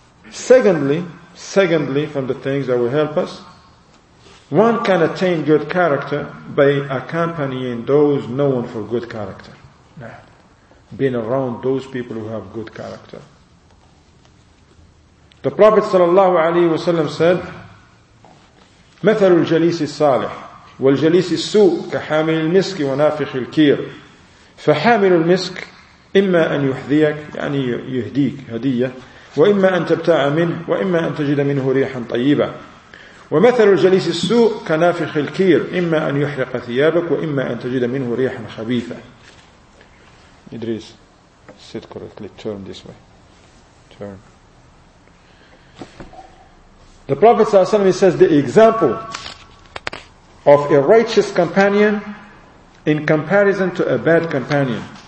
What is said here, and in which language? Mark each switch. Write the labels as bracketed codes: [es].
[en] Secondly, from the things that will help us, one can attain good character by accompanying those known for good character. Being around those people who have good character. The Prophet sallallahu alaihi wasallam said, [ar] مثل الجليس الصالح والجليس السوء كحامل المسك ونافخ الكير فحامل المسك إما أن يحذيك يعني يهديك هدية وإما أن تبتاع منه وإما أن تجد منه ريحا طيبة ومثل الجليس السوء كنافخ الكير إما أن يحرق ثيابك وإما أن تجد منه ريحا خبيثة. [en] إدريس sit correctly, turn this way, turn. The Prophet ﷺ says the example of a righteous companion in comparison to a bad companion.